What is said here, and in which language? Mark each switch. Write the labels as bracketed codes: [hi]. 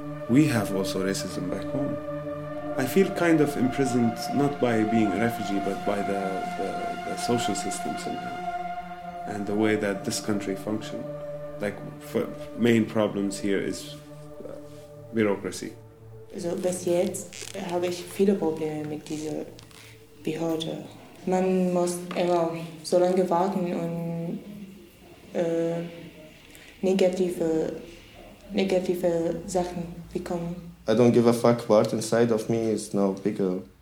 [en] We have also racism back home. I feel kind of imprisoned, not by being a refugee, but by the social system somehow, and the way that this country functions. Like, for main problems here is bureaucracy. [de] So, bis jetzt habe ich viele Probleme mit dieser Behörde. Man muss immer so lange warten und negative Sachen bekommen. [en] I don't give a fuck what inside of me is no bigger.